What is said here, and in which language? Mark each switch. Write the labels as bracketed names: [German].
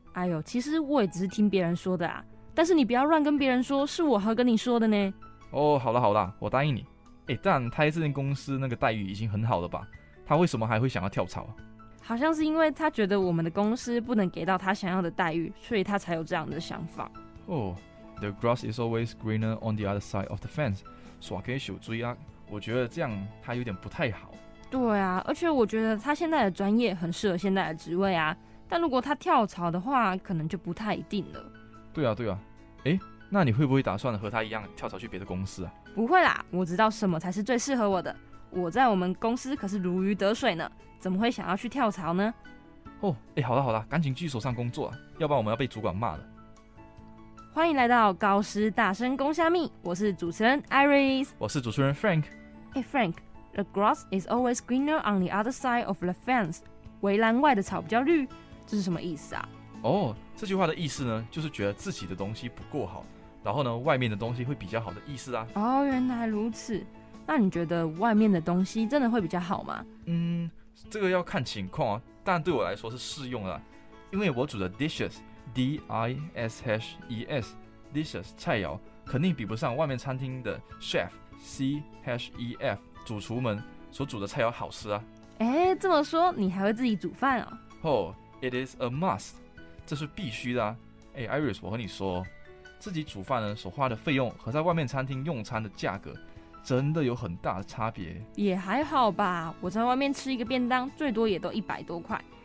[Chinese] 哎呦，其实我也只是听别人说的啊。但是你不要乱跟别人说，是我和跟你说的呢。哦，好了好了，我答应你。哎，但他在这间公司那个待遇已经很好了吧？他为什么还会想要跳槽？好像是因为他觉得我们的公司不能给到他想要的待遇，所以他才有这样的想法。 [English] Oh, the grass is always greener on the other side of the fence. [Chinese] 耍给手追啊，我觉得这样他有点不太好。对啊，而且我觉得他现在的专业很适合现在的职位啊，但如果他跳槽的话，可能就不太一定了。对啊，对啊。哎，那你会不会打算和他一样跳槽去别的公司啊？不会啦，我知道什么才是最适合我的。我在我们公司可是如鱼得水呢，怎么会想要去跳槽呢？哦，哎，好了好了，赶紧继续手上工作啊，要不然我们要被主管骂了。欢迎来到高师大声公虾蜜，我是主持人 Iris，我是主持人 Frank。 [English] Hey Frank， The grass is always greener on the other side of the fence， [Chinese] 围栏外的草比较绿，这是什么意思啊？哦，这句话的意思呢，就是觉得自己的东西不够好，然后呢，外面的东西会比较好的意思啊。哦，原来如此。那你觉得外面的东西真的会比较好吗？嗯，这个要看情况啊，但对我来说是适用的，因为我煮的 [English] dishesDISHES dishes [Chinese] 菜肴肯定比不上外面餐厅的 [English] chef CHEF [Chinese] 主厨们所煮的菜肴好吃啊。哎，这么说你还会自己煮饭哦？ [English] Oh, it is a must， [Chinese] 这是必须的啊。哎 ，Iris， 我和你说，自己煮饭呢所花的费用和在外面餐厅用餐的价格真的有很大的差别。也还好吧，我在外面吃一个便当最多也都100多块。